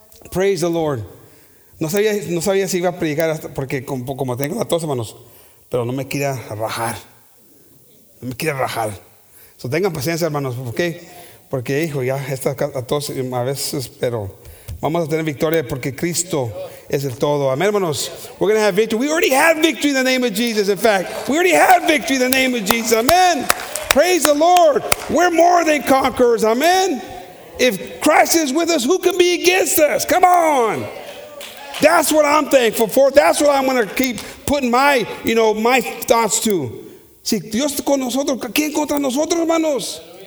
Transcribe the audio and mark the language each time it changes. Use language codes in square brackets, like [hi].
[es] Praise the Lord. No sabía si iba a predicar hasta porque como tengo la tos, hermanos, pero no me quiera rajar. No me quiera rajar. So tengan paciencia, hermanos, ¿ok? Porque, hijo, ya está a todos a veces, pero vamos a tener victoria porque Cristo es el todo. Amén, hermanos. [en] We're going to have victory. We already have victory in the name of Jesus, in fact. We already have victory in the name of Jesus. Amen. Praise the Lord. We're more than conquerors. Amen. If Christ is with us, who can be against us? Come on. That's what I'm thankful for. That's what I'm going to keep putting my thoughts to. [es] Si Dios está con nosotros, ¿quién contra nosotros, hermanos?